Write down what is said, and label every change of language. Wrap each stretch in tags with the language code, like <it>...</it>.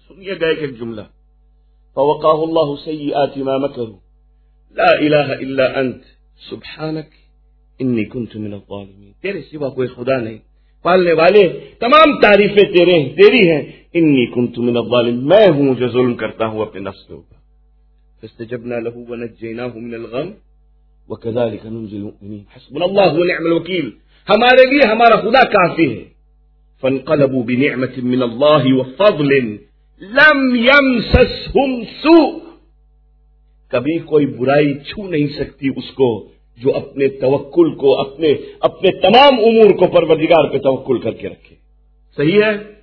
<ur>سنیے گا ایک جملہ.</ur> <ar>فوقاه اللہ سیئات ما مکروا لا الہ الا انت سبحانک انی کنت من الظالمین.</ar> <ur>تیرے سوا کوئی خدا نہیں, پالنے والے تمام تعریفیں تیری ہیں.</ur> <ar>انی کنت من الظالمین,</ar> <ur>میں ہوں جو ظلم کرتا ہوں اپنے نفس کے اوپر.</ur> <ar>فاستجبنا له ونجیناه من الغم وكذلك ننجي المؤمنين حسبنا الله ونعم الوکیل,</ar> <ur>ہمارے لیے ہمارا خدا کافی ہے.</ur> <ar>فانقلبوا بنعمة من الله وفضل لم يمسسهم سوء,</ar> <ur>کبھی کوئی برائی چھو نہیں سکتی اس کو جو اپنے توکل کو اپنے تمام امور کو پروردگار پہ توکل کر کے رکھے. صحیح ہے.</ur>